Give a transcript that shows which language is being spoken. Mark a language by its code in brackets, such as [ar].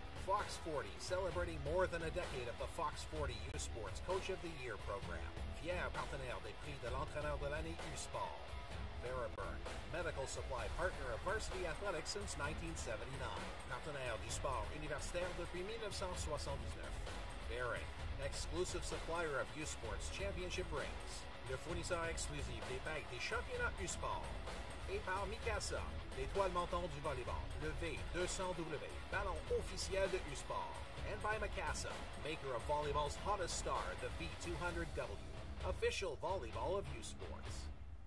[en] Fox 40, celebrating more than a decade of the Fox 40 U Sports Coach of the Year program. [fr] Fier partenaire des prix de l'entraîneur de l'année U Sport. [en] Veriburn, medical supply partner of varsity athletics since 1979. [fr] Partenaire du Sport universitaire depuis 1979. Barry. [en] Exclusive supplier of U Sports Championship rings. [fr] Le fournisseur exclusif des bagues des championnats U Sport. Et par Mikasa, l'étoile montante du volleyball. Le V200W, ballon officiel de U Sport. [en] And by Mikasa, maker of volleyball's hottest star, the V200W. Official volleyball of U Sports.